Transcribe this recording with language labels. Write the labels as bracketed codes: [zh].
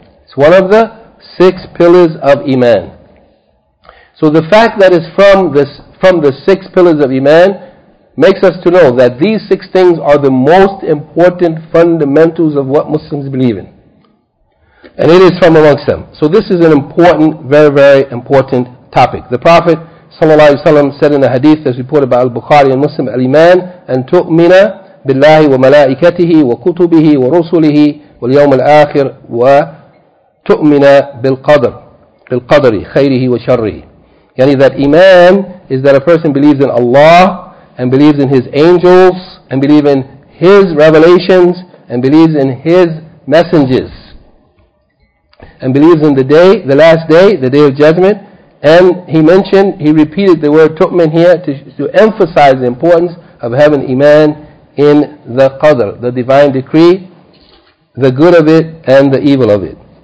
[en] It's one of the six pillars of Iman. So the fact that it's from the six pillars of Iman makes us to know that these six things are the most important fundamentals of what Muslims believe in. And it is from amongst them. So this is an important, very, very important topic. The Prophet ﷺ said in a hadith as reported by Al-Bukhari and Muslim, [ar] Al-Iman أن تؤمن بالله وملائكته وكتبه ورسله واليوم الآخر وتؤمن بالقدر بالقدر خيره وشره. [en] يعني that Iman is that a person believes in Allah and believes in His angels, and believes in His revelations, and believes in His messengers, and believes in the day, the last day, the day of judgment. And he mentioned, he repeated the word tu'min here to emphasize the importance of having iman in the qadr, the divine decree, the good of it, and the evil of it.